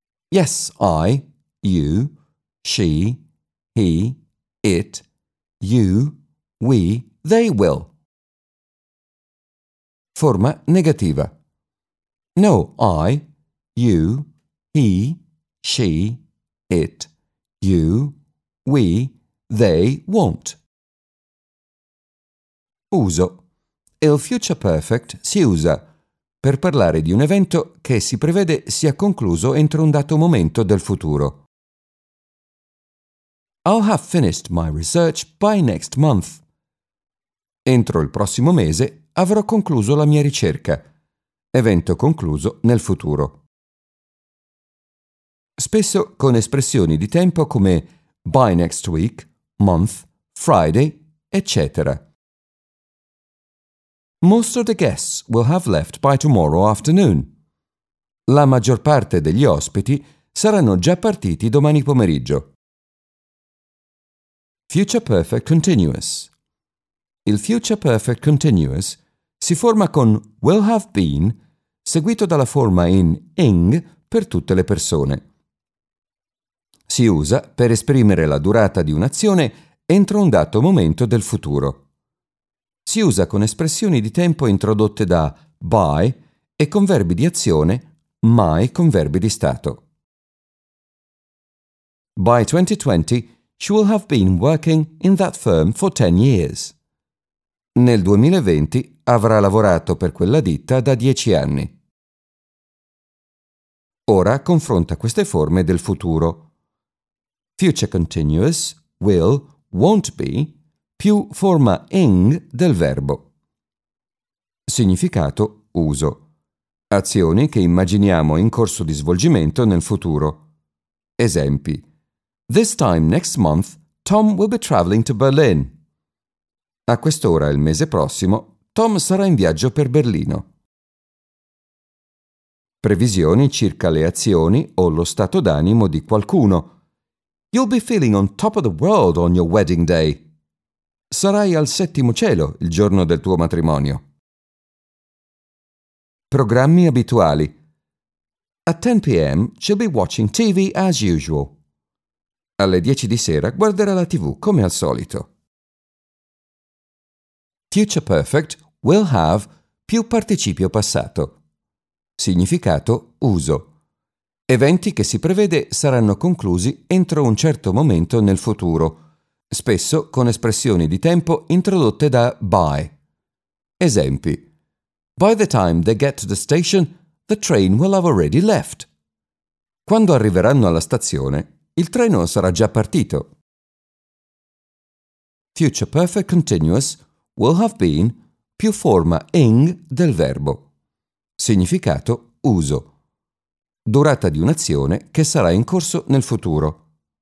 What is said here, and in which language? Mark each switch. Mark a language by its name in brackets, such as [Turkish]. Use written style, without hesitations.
[English] Yes, I, you, she, he, it, you, we, they will. [Italian] forma negativa. [English] No, I, you, he, she, it, you, we, they won't. [Italian] Uso. Il future perfect si usa per parlare di un evento che si prevede sia concluso entro un dato momento del futuro. [English] I'll have finished my research by next month. [Italian] Entro il prossimo mese avrò concluso la mia ricerca. Evento concluso nel futuro. Spesso con espressioni di tempo come [English] by next week, month, Friday, [Italian] eccetera. [English] Most of the guests will have left by tomorrow afternoon. [Italian] La maggior parte degli ospiti saranno già partiti domani pomeriggio. [English] Future perfect continuous. [Italian] Il future perfect continuous si forma con will have been seguito dalla forma in ing per tutte le persone. Si usa per esprimere la durata di un'azione entro un dato momento del futuro. Si usa con espressioni di tempo introdotte da by e con verbi di azione, mai con verbi di stato. [English] By 2020, she will have been working in that firm for 10 years. [Italian] Nel 2020 avrà lavorato per quella ditta da 10 anni. Ora confronta queste forme del futuro. Future continuous, will, won't be, più forma ing del verbo. Significato uso. Azioni che immaginiamo in corso di svolgimento nel futuro. Esempi. [English] This time next month, Tom will be traveling to Berlin. [Italian] A quest'ora il mese prossimo, Tom sarà in viaggio per Berlino. Previsioni circa le azioni o lo stato d'animo di qualcuno. [English] You'll be feeling on top of the world on your wedding day. [Italian] Sarai al settimo cielo il giorno del tuo matrimonio. Programmi abituali. [English] At 10 p.m. she'll be watching TV as usual. [Italian] Alle 10 di sera guarderà la TV come al solito. Future perfect will have più participio passato. Significato uso. Eventi che si prevede saranno conclusi entro un certo momento nel futuro, spesso con espressioni di tempo introdotte da by. Esempi. [English] By the time they get to the station, the train will have already left. [Italian] Quando arriveranno alla stazione, il treno sarà già partito. Future perfect continuous will have been più forma ing del verbo. Significato uso. Durata di un'azione che sarà in corso nel futuro.